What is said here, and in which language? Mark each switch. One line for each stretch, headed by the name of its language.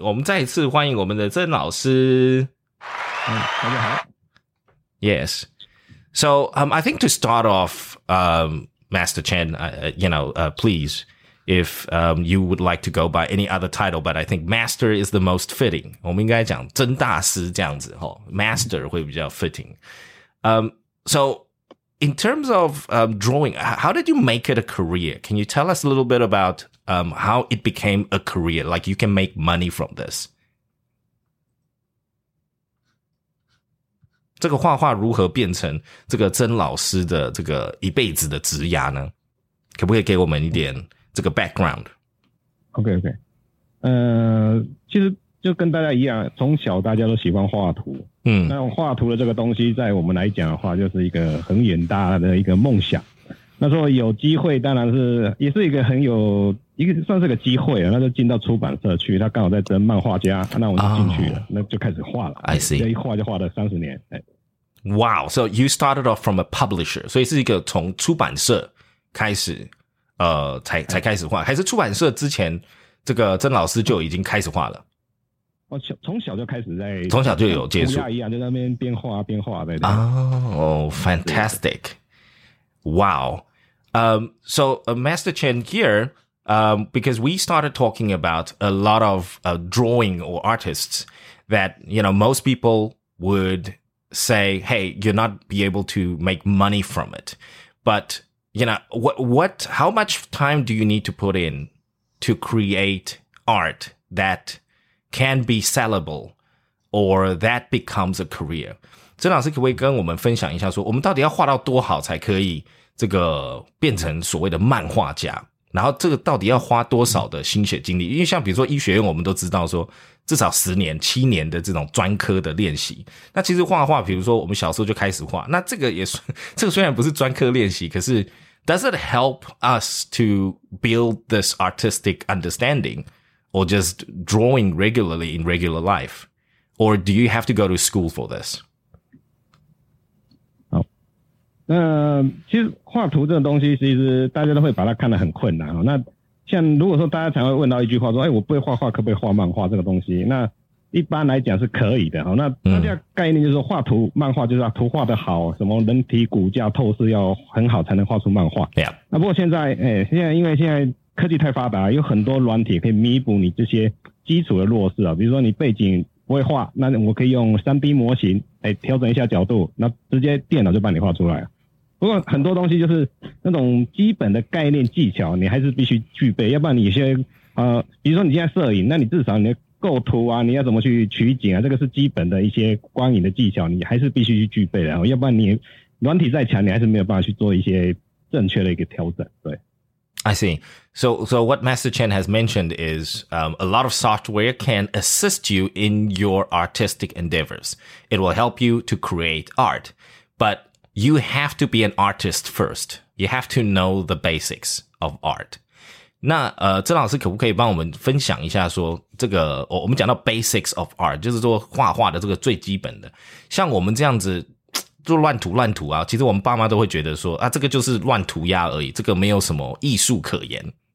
Chinese: 我们再一次欢迎我们的曾老师。大家好。
English: Yes. So I think to start off, Master Chen, please if you would like to go by any other title, but I think master is the most fitting.
Chinese: 我们应该讲真大师这样子齁 ,master 会比较 fitting.
English: So in terms of drawing, how did you make it a career? Can you tell us a little bit about how it became a career? Like you can make money from this.
Chinese: 这个画画如何变成这个曾老师的这个一辈子的职涯呢？可不可以给我们一点这个 background？ OK OK， 其实就跟大家一样，从小大家都喜欢画图，嗯，那画图的这个东西，在我们来讲的话，就是一个很远大的一个梦想。那时候有机会，当然是也是一个很有一个算是个机会啊，那就进到出版社去，他刚好在征漫画家，那我就进去了， oh, 那就开始画了。
English: I see，
Chinese: 这一画就画了三十年。 Wow，
English: so you started off from a publisher，
Chinese: 所以是一个从出版社开始，才开始画，还是出版社之前这个曾老师就已经开始画了？从小就有接触，涂鸦一样就在那边边画边画的。
English: 哦、oh, ，fantastic。 Wow. Master Chen here, because we started talking about a lot of drawing or artists that, you know, most people would say, hey, you're not be able to make money from it. But, you know, how much time do you need to put in to create art that can be sellable or that becomes a career?
Chinese: 曾老师可不可以跟我们分享一下说我们到底要画到多好才可以这个变成所谓的漫画家，然后这个到底要花多少的心血精力？因为像比如说医学院，我们都知道说至少十年、七年的这种专科的练习。那其实画画，比如说我们小时候就开始画，那这个也这个虽然不是专科练习，可是
English: does it help us to build this artistic understanding or just drawing regularly in regular life, or do you have to go to school for this?
Chinese: 那其实画图这个东西其实大家都会把它看得很困难、哦、那像如果说大家常会问到一句话说哎，我不会画画可不可以画漫画，这个东西那一般来讲是可以的、哦、那大家概念就是说画图漫画就是、啊、图画的好，什么人体骨架透视要很好才能画出漫画、
English: yeah.
Chinese: 那不过现在因为现在科技太发达，有很多软体可以弥补你这些基础的弱势、哦、比如说你背景不会画，那我可以用 3D 模型调整一下角度，那直接电脑就帮你画出来。不过很多东西就是那种基本的概念技巧你还是必须具备，要不然你先比如说你现在摄影，那你至少你的构图啊，你要怎么去取景啊，这个是基本的一些光影的技巧你还是必须去具备的，要不然你软体再强你还是没有办法去做一些正确的一个调整。对，
English: I see. So what Master Chen has mentioned is a lot of software can assist you in your artistic endeavors. It will help you to create art, butYou have to be an artist first. You have to know the basics of art.
Chinese: 那曾老师可不可以帮我们分享一下说这个、哦、我们讲到
English: basics of art,
Chinese: 就是说画画的这个最基本的。像我们这样子就乱涂乱涂啊，其实我们爸妈都会觉得说啊，这个就是乱涂鸦而已，这个没有什么艺术可言。